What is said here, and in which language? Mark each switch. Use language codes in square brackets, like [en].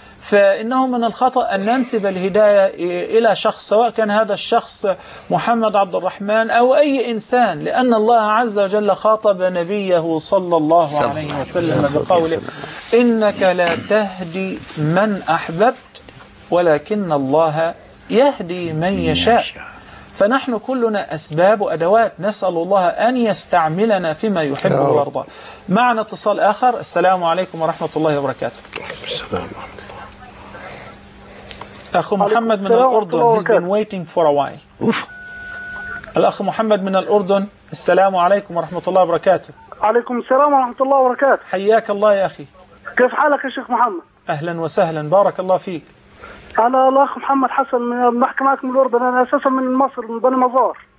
[ar] فإنه من الخطأ أن ننسب الهداية إلى شخص، سواء كان هذا الشخص محمد عبد الرحمن أو أي إنسان، لأن الله عز وجل خاطب نبيه صلى الله عليه وسلم بقوله: إنك لا تهدي من أحببت ولكن الله يهدي من يشاء. فنحن كلنا أسباب وأدوات، نسأل الله أن يستعملنا فيما يحب ويرضى. معنا اتصال آخر. السلام عليكم ورحمة الله وبركاته. أخو محمد من الأردن، [en] he's been waiting for a while. [ar] الأخ محمد من الأردن، السلام عليكم ورحمة الله وبركاته. عليكم السلام ورحمة الله وبركاته. حياك الله يا أخي. كيف حالك يا شيخ محمد؟ أهلا وسهلا، بارك الله فيك. أنا الأخ محمد حسن، من بحكي معك من الأردن، أنا أساسا من مصر، من بني مزار.